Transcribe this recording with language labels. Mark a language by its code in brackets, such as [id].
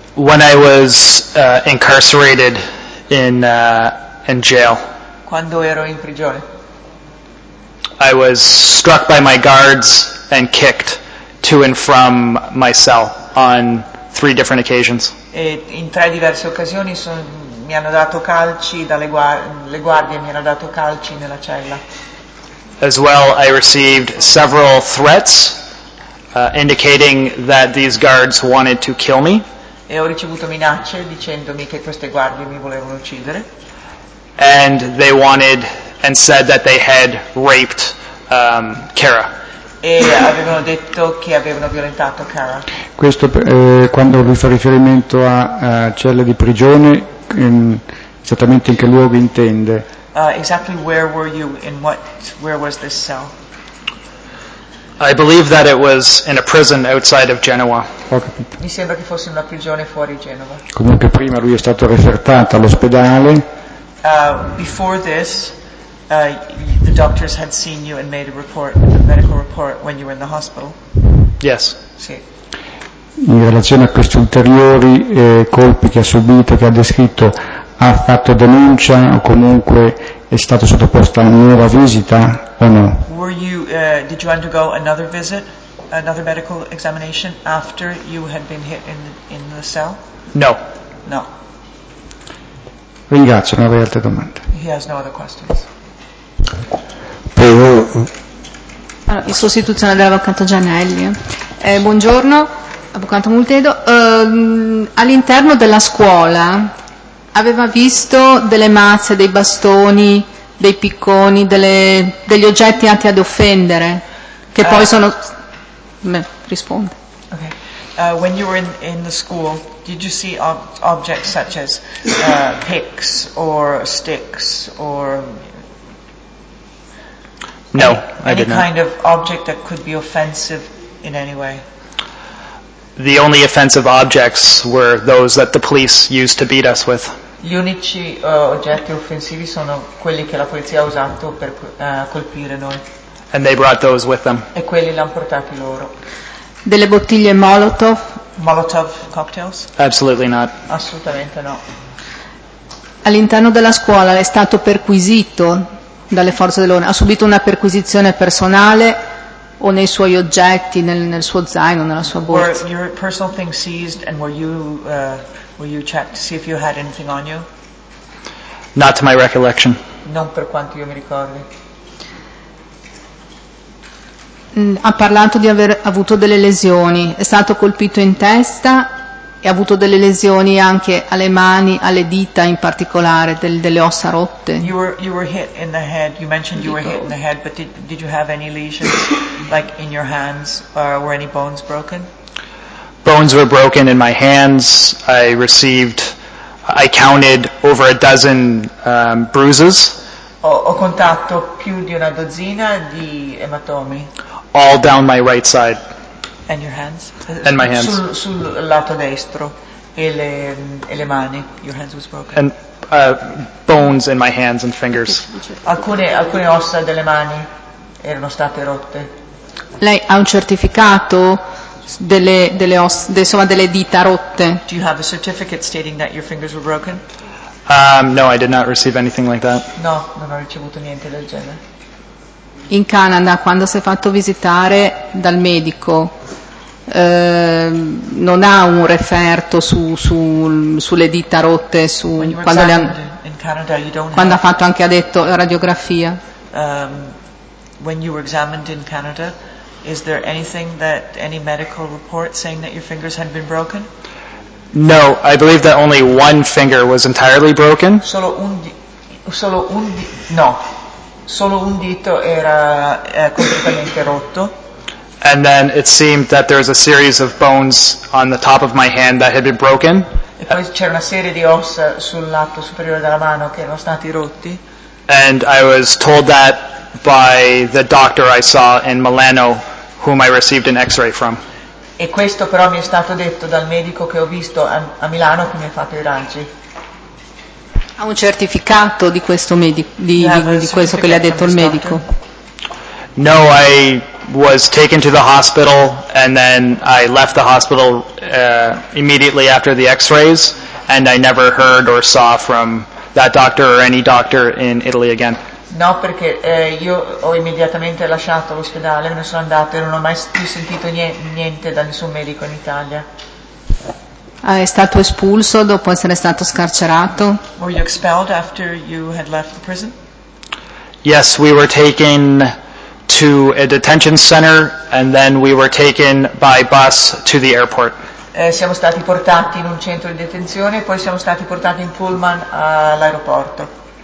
[en] When I was incarcerated in jail. [it] Quando ero in prigione. [en] I was struck by my guards and kicked to and from my cell on three different occasions. [it] E in tre diverse occasioni mi hanno dato calci dalle le guardie mi hanno dato calci nella cella. [en] As well, I received several threats indicating that these guards wanted to kill me. [it] E ho ricevuto minacce dicendomi che queste guardie mi volevano uccidere. [en] And they wanted and said that they had raped Kara. [it] E avevano detto che avevano violentato Kara. Questo quando lui fa riferimento a celle di prigione, esattamente in che luogo intende? [en] Exactly where were you? In what? Where was this cell? I believe that it was in a prison outside of Genoa. [it] Ho capito. Mi sembra che fosse una prigione fuori Genova. Comunque prima lui è stato refertato all'ospedale. [en] Before this, the doctors had seen you and made a report, a medical report, when you were in the hospital? Yes. [it] Sì. In relazione a questi ulteriori colpi che ha subito, che ha descritto, ha fatto denuncia o comunque è stato sottoposto a una nuova visita o no? [en] Were you, did you undergo another visit, another medical examination after you had been hit in the cell? No. [it] No. Ringrazio, non avrei altre domande. [en] He has no other questions. [it] Allora, in sostituzione dell'avvocato Gianelli. Buongiorno, avvocato Multedo. All'interno della scuola aveva visto delle mazze, dei bastoni, dei picconi, degli oggetti atti ad offendere, che poi sono... risponde. [en] Ok. When you were in the school, did you see objects such as picks or sticks or... No, any, I did not. Any kind of object that could be offensive in any way? The only offensive objects were those that the police used to beat us with. [it] Gli unici oggetti offensivi sono quelli che la polizia ha usato per colpire noi. [en] And they brought those with them. [it] E quelli li hanno portati loro. Delle bottiglie Molotov? [en] Molotov cocktails? Absolutely not. [it] Assolutamente no. All'interno della scuola è stato perquisito dalle forze dell'ordine? Ha subito una perquisizione personale o nei suoi oggetti, nel suo zaino, nella sua borsa? [en] Were your personal things seized and were you checked to see if you had anything on you? Not to my recollection. [it] Non per quanto io mi ricordi. Ha parlato di aver avuto delle lesioni, è stato colpito in testa e ha avuto delle lesioni anche alle mani, alle dita in particolare, delle ossa rotte. [en] You were hit in the head, you mentioned you were hit in the head, but did you have any lesions like in your hands, or were any bones broken? Bones were broken in my hands, I counted over a dozen bruises. [it] Ho contato più di una dozzina di ematomi. [en] All down my right side. And your hands? And my hands. [it] Sul lato destro e le mani. [en] Your hands was broken. And bones in my hands and fingers. [it] Alcune ossa delle mani erano state rotte. Lei ha un certificato delle ossa, insomma, delle dita rotte? [en] Do you have a certificate stating that your fingers were broken? No, I did not receive anything like that. [it] No, non ho ricevuto niente del genere. In Canada, quando si è fatto visitare dal medico, non ha un referto sulle dita rotte, quando ha fatto anche, ha detto, la radiografia. [en] When you were examined in Canada, is there anything that any medical report saying that your fingers had been broken? No, I believe that only one finger was entirely broken. [it] Solo un dito era completamente rotto. [en] And then it seemed that there was a series of bones on the top of my hand that had been broken. [it] E poi c'era una serie di ossa sul lato superiore della mano che erano stati rotti. [en] And I was told that by the doctor I saw in Milano, whom I received an X-ray from. [it] E questo però mi è stato detto dal medico che ho visto a Milano, che mi ha fatto i raggi. Ha un certificato di questo medico, di questo che le ha detto il medico? [en] No, I was taken to the hospital and then I left the hospital immediately after the X-rays and I never heard or saw from that doctor or any doctor in Italy again. [it] No, perché io ho immediatamente lasciato l'ospedale, me ne sono andato e non ho mai più sentito niente da nessun medico in Italia. È stato espulso dopo essere stato scarcerato? [en] Were you expelled after you had left the prison? Yes, we were taken to a detention center and then we were taken by bus to the airport. [it] Siamo stati portati in un centro di detenzione e poi siamo stati portati in pullman all'aeroporto.